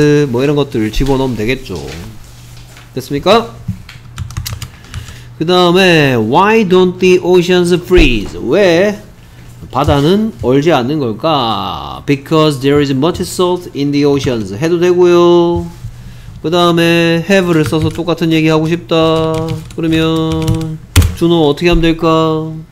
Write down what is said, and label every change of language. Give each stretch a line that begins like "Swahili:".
Korean: 뭐 이런 것들을 집어넣으면 되겠죠. 됐습니까? 그 다음에
English: Why don't the oceans freeze?
Korean: 왜 바다는 얼지 않는 걸까?
English: Because there is much salt in the oceans.
Korean: 해도 되고요. 그 다음에 have를 써서 똑같은 얘기 하고 싶다. 그러면 준호 어떻게 하면 될까?